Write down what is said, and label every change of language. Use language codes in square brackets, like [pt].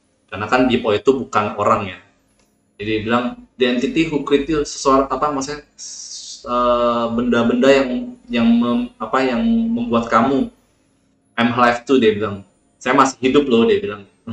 [id] Karena kan Bipo itu bukan orang ya. Jadi dia bilang, [en] the entity who created you. [id] Sesuatu, apa maksudnya, benda-benda yang membuat kamu. [en] I'm alive too, [id] dia bilang. Saya masih hidup loh, dia bilang.